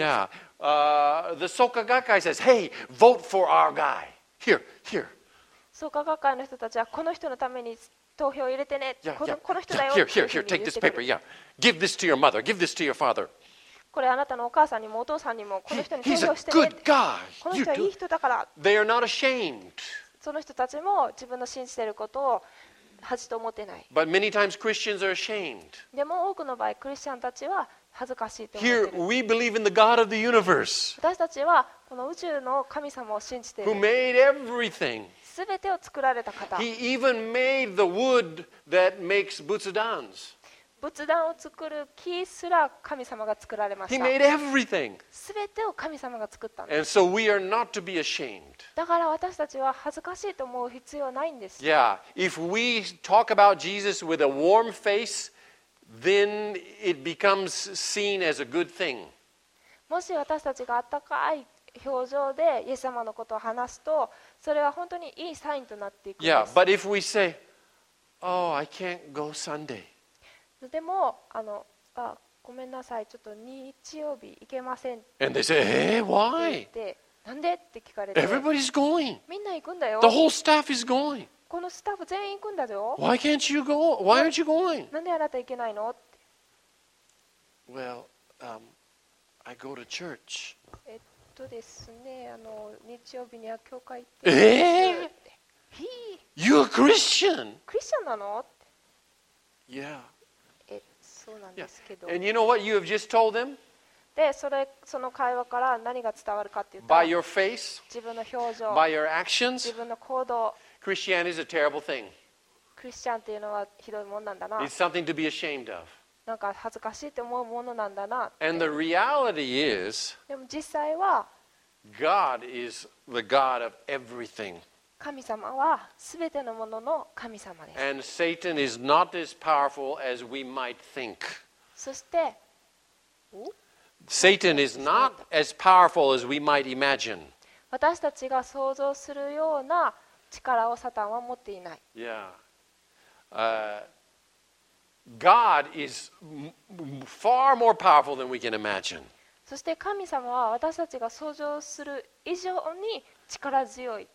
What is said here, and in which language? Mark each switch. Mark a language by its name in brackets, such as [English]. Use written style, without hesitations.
[English] Yeah. The Soka Gakkai says, hey, vote for our guy. Here, here. [Japanese] Soka Gakkai の人たちはこの人のために投票を入れてね。 Yeah, yeah. この人だよ。 Yeah. [English] Here, here, here, take this paper. Yeah. Give this to your mother. Give this to your father. [Japanese] これあなたのお母さんにもお父さんにもこの人に投票してね。 [English] He's a good guy. [Japanese] この人はいい人だから。 [English] They are not ashamed. [Japanese] その人たちも自分の信じてることを恥と思ってない。 [English] But many times Christians are ashamed. [Japanese] でも多くの場合、クリスチャンたちは恥ずかしいと思ってる。 [English] Here we believe in the God of the universe. [Japanese] 私たちはこの宇宙の神様を信じている。 [English] Who made everything? [Japanese] すべてを作られた方。 [English] He even made the wood that makes butsudans. [Japanese] 仏壇を作る木すら神様が作られました。 [English] He made everything. [Japanese] すべてを神様が作ったんです。 [English] And so we are not to be ashamed. [Japanese] だから私たちは恥ずかしいと思う必要はないんです。 [English] Yeah, if we talk about Jesus with a warm face, then it becomes seen as a good thing. [Japanese] もし私たちが温かい表情でイエス様のことを話すと、それは本当にいいサインとなっていくんです。 [English] Yeah, but if we say, oh, I can't go Sunday. [Japanese] でも、ごめんなさい、ちょっと日曜日行けません。 [English] And they say, hey, why? [Japanese] なんでって聞かれて、 [English] Everybody's going. [Japanese] みんな行くんだよ。 [English] The whole staff is going. [Japanese] このスタッフ全員行くんだぞ。 [English] Why can't you go? Why aren't you going? [Japanese] なんであなた行けないの？って。 [English] Well, I go to church. [Japanese] ですね、日曜日には教会行って。 [English] You're a Christian. [Japanese] クリスチャンなの？って。 Yeah. そうなんですけど。 [English] Yeah. And you know what you have just told them? [Japanese] で、その会話から何が伝わるかっていうと、 [English] by your face, [Japanese] 自分の表情、 [English] by your actions, [Japanese] 自分の行動、 [English] Christianity is a terrible thing. [Japanese] クリスチャンっていうのはひどいものなんだな。 [English] It's something to be ashamed of. [Japanese] なんか恥ずかしいと思うものなんだな。 [English] And the reality is, [Japanese] でも実際は、 [English] God is the God of everything. [Japanese] 神様はすべてのものの神様です。 [English] And Satan is not as powerful as we might think. [Japanese] そして、 [English] Satan is not as powerful as we might imagine. [Japanese] 私たちが想像するような力をサタンは持っていない。 [English] God is far more powerful than we can imagine. [Japanese] そして神様は私たちが想像する以上に力強い。